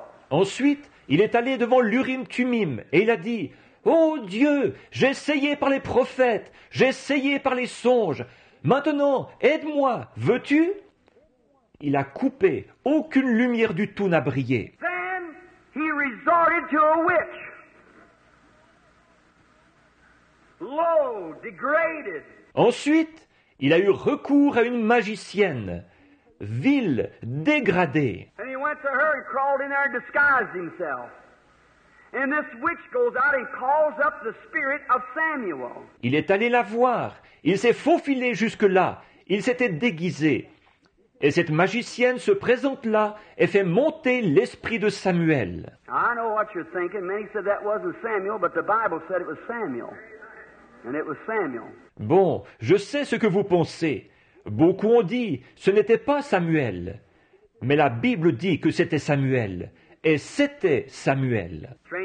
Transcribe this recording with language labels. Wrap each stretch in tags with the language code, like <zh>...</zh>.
<fr>Ensuite, il est allé devant l'Urim-Thummim et il a dit, « Oh Dieu, j'ai essayé par les prophètes, j'ai essayé par les songes. Maintenant, aide-moi, veux-tu ?» Il a coupé. Aucune lumière du tout n'a brillé.</fr> <en>Then he resorted to a witch. Low, degraded.</en> <fr>Ensuite, il a eu recours à une magicienne. Vile, dégradée.</fr> <en>And he went to her and crawled in there and disguised himself. And this witch goes out and calls up the spirit of Samuel.</en> <fr>Il est allé la voir. Il s'est faufilé jusque-là. Il s'était déguisé. Et cette magicienne se présente là et fait monter l'esprit de Samuel.</fr> <en>I know what you're thinking. Many said that wasn't Samuel, but the Bible said it was Samuel. And it was Samuel.</en> <fr>Bon, je sais ce que vous pensez. Beaucoup ont dit, ce n'était pas Samuel. Mais la Bible dit que c'était Samuel. Et c'était Samuel.</fr>